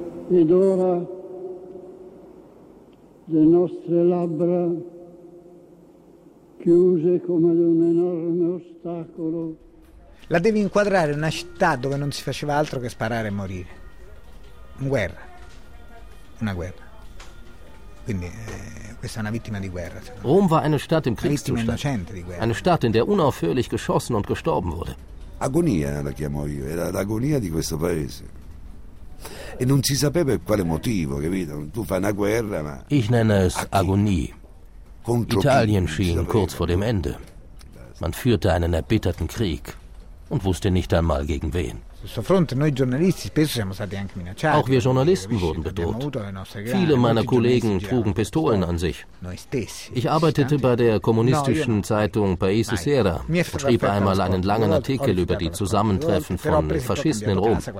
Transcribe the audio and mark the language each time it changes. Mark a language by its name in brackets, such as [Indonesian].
[Italian] Ed ora le nostre labbra chiuse come ad un enorme ostacolo. La devi inquadrare una città dove non si faceva altro che sparare e morire. Guerra. Una guerra. Quindi questa è una vittima di guerra. [German] Rom war eine Stadt im Kriegszustand. Eine Stadt, in der unaufhörlich geschossen und gestorben wurde. [Italian] Agonia la chiamo io, era l'agonia di questo paese. E non si sapeva per quale motivo, capito? Tu fai una guerra, ma [German] ich nenne es Agonie. Italien schien kurz vor dem Ende. Man führte einen erbitterten Krieg und wusste nicht einmal gegen wen. Auch wir Journalisten wurden bedroht. Viele meiner Kollegen trugen Pistolen an sich. Ich arbeitete bei der kommunistischen Zeitung Paese Sera und schrieb einmal einen langen Artikel über die Zusammentreffen von Faschisten in Rom.